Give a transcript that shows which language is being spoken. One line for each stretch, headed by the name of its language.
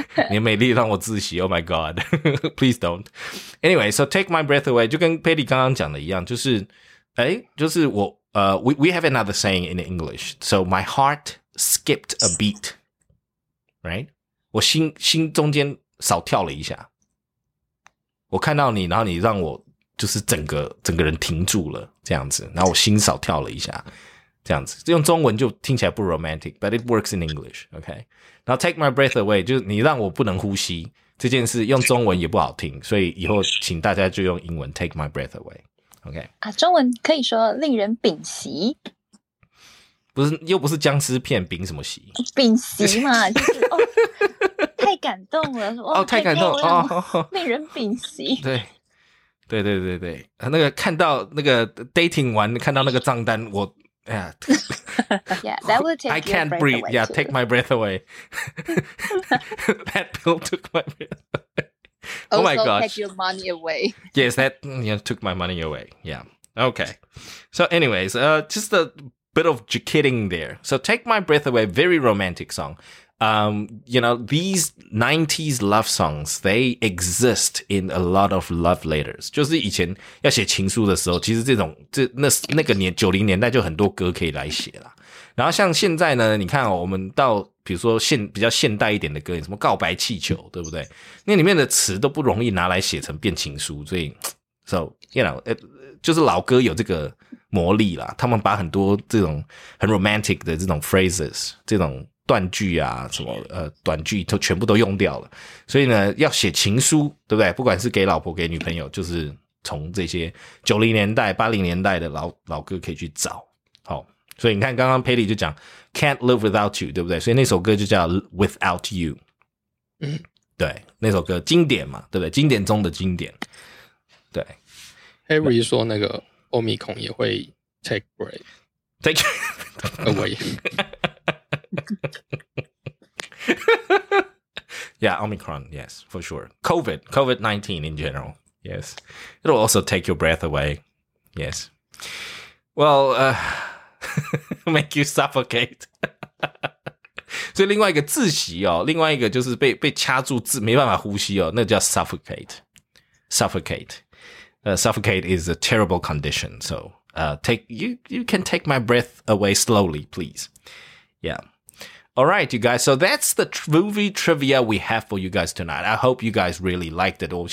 Chinese: 你美丽让我窒息
English: oh my god. Please don't. Anyway, so take my breath away,
Chinese: 就跟 Patty 刚刚讲的一样就是诶就是我
English: we have another saying in English. So my heart skipped a beat. Right?
Chinese: 我心中间少跳了一下。我看到你然后你让我就是整个人停住了这样子然后我心少跳了一下。这样子用中文就听起来不
English: romantic but it works in English okay
Chinese: 然后
English: take my breath away
Chinese: 就是你让我不能呼吸这件事用中文也不好听所以以后请大家就用英文
English: take my breath away okay
Chinese: 啊，中文可以说令人屏息不是又不是僵尸片屏什么息屏息嘛就是、哦、太感动了哦，太感动了、哦、令人屏息对对对对对那个看到那个 dating 完看到那个账单我
English: Yeah, that will take I can't your breathe. Away yeah, take my breath away. That bill took my breath away. Oh my gosh. Also take your money away. Yes, that you know, took my money away. Yeah. Okay. So anyways, just a bit of kidding there. So take my breath away, very romantic song. You know, these 90s love songs, they exist in a lot of love letters.
Chinese: 就是以前要写情书的时候其实这种这那个年90年代就很多歌可以来写啦。然后像现在呢你看、哦、我们到比如说比较现代一点的歌什么告白气球对不对那里面的词都不容易拿来写成变情书所以
English: so, you know,
Chinese: 就是老歌有这个魔力啦他们把很多这种很 romantic 的这种 phrases, 这种断句啊什么短句都全部都用掉了。所以呢要写情书对不对不管是给老婆给女朋友就是从这些90年代80年代的老歌可以去找。好、哦。所以你看刚刚 Patty 就讲
English: Can't live without you,
Chinese: 对不对所以那首歌就叫 Without You。嗯。对那首歌经典嘛对不对经典中的经典。对。 Harry 说那个 Omicron 也会
English: take break. Take away. Yeah, Omicron, yes, for sure. COVID-19 in general, yes. It'll also take your breath away, yes. Well, make you suffocate.
Chinese: 所以另外一个窒息哦，另外一个就是被掐住，没办法呼吸哦， 那叫 suffocate.
English: Suffocate. Suffocate is a terrible condition. So you can take my breath away slowly, please. Yeah. All right, you guys. So that's the movie trivia we have for you guys tonight. I hope you guys really liked it.